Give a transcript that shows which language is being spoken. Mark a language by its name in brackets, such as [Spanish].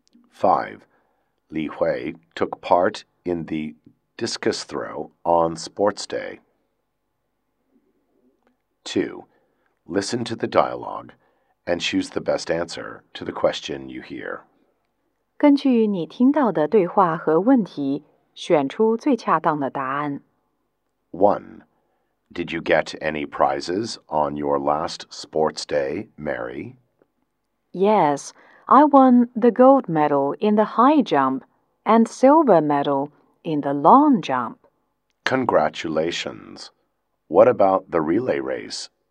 [English] 5. Li Hui took part in the discus throw on sports day. 2. Listen to the dialogue and choose the best answer to the question you hear. [Chinese] 根据你听到的对话和问题，选出最恰当的答案。 [English] 1. Did you get any prizes on your last sports day, Mary? Yes, I won the gold medal in the high jump and silver medal in the long jump. Congratulations. What about the relay race?